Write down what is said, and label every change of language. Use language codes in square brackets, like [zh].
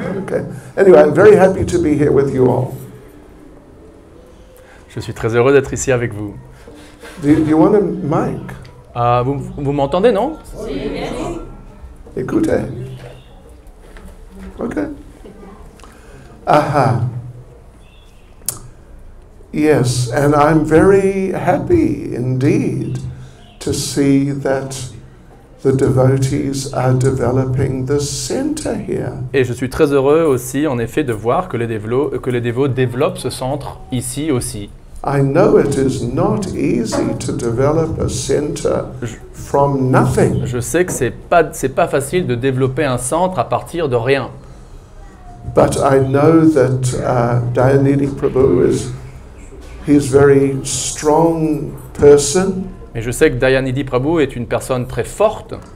[en] Okay. Anyway, I'm very happy to be here with you all. [fr] Je suis très heureux d'être ici avec vous. [en] Do you want a mic? [fr] Vous m'entendez, non? Oui. Écoutez. Okay. [en] Yes, and I'm very happy indeed to see that the devotees are developing the center here. [fr] Et je suis très heureux aussi, en effet, de voir que les dévots développent ce centre ici aussi. [en] I know it is not easy to develop a center from nothing. [fr] Je sais que c'est pas facile de développer un centre à partir de rien. [en] But I know that Dayanidhi Prabhu is, he's very strong person. [fr] Mais je sais que Dayanidhi Prabhu est une personne très forte.